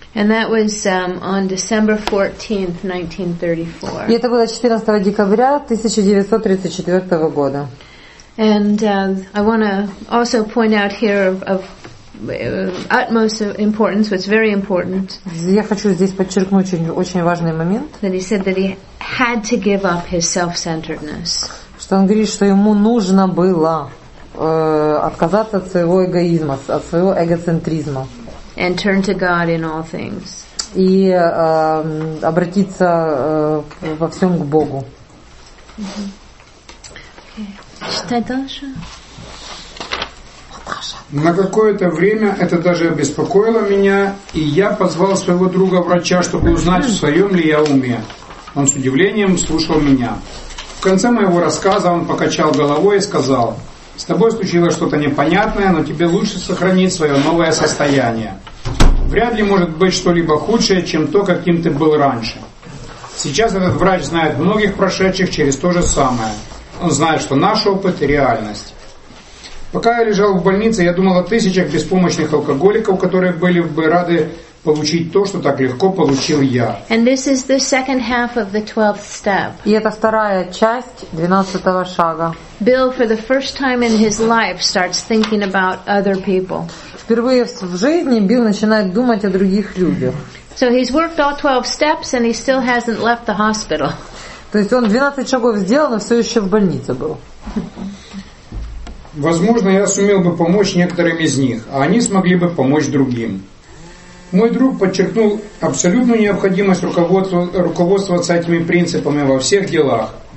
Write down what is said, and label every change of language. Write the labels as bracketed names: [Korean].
[English] And that was on December 14th, 1934. [Russian] И это было 14 декабря 1934 года. [English] And I want to also point out here of utmost importance, what's very important. [Russian] Я хочу здесь подчеркнуть очень важный момент. [English] That he said that he had to give up his self-centeredness. [Russian] Что он говорит, что ему нужно было отказаться от своего эгоизма, от своего эгоцентризма. [English] And turn to God in all things. [Russian] И обратиться во всем к Богу. На какое-то время это даже обеспокоило меня, и я позвал своего друга-врача, чтобы узнать, в своем ли я уме. Он с удивлением слушал меня. В конце моего рассказа он покачал головой и сказал: «С тобой случилось что-то непонятное, но тебе лучше сохранить свое новое состояние. Вряд ли может быть что-либо худшее, чем то, каким ты был раньше. Сейчас этот врач знает многих прошедших через то же самое. Он знает, что наш опыт – реальность. Пока я лежал в больнице, я думал о тысячах беспомощных алкоголиков, которые были бы рады получить то, что так легко получил я». [English] And this is the second half of the 12th step. [Russian] И это вторая часть 12-го шага. [English] Bill, for the first time in his life, starts thinking about other people. [Russian] Впервые в жизни Билл начинает думать о других людях. [English] So he's worked all 12 steps and he still hasn't left the hospital. [Russian] То есть он 12 шагов сделал, но все еще в больнице был. Возможно, я сумел бы помочь некоторым из них, а они смогли бы помочь другим. Мой друг подчеркнул абсолютную необходимость руководствоваться этими принципами во всех делах.